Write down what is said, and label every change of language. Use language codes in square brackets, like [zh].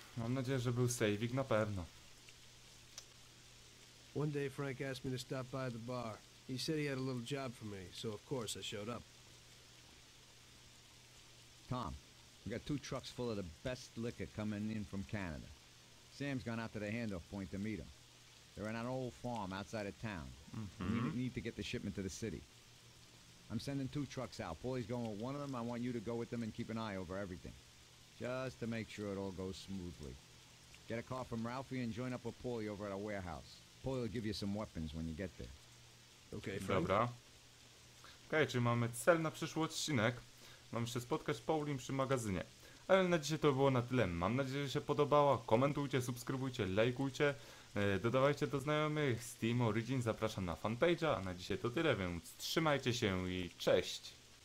[pl] Mam nadzieję, że był [en] saving [pl] na pewno. [en] One day Frank asked me to stop by the bar. He said he had a little job for me, so of course I showed up. Tom, we got two trucks full of the best liquor coming in from Canada. Sam's gone out to the handoff point to meet him. They're in an old farm outside of town. Mm-hmm. We need to get the shipment to the city. I'm sending two trucks out. Paulie's going with one of them. I want you to go with them and keep an eye over everything. Just to make sure it all goes smoothly. Get a car from Ralphie and join up with Paulie over at our warehouse. Paulie will give you some weapons when you get there. Okay, [pl] dobra. Okej, czyli mamy cel na przyszły odcinek. Mam się spotkać z Paulim przy magazynie. Ale na dzisiaj to było na tyle. Mam nadzieję, że się podobało. Komentujcie, subskrybujcie, lajkujcie. Dodawajcie do znajomych. Steam Origin zapraszam na fanpage'a. A na dzisiaj to tyle, więc trzymajcie się i cześć!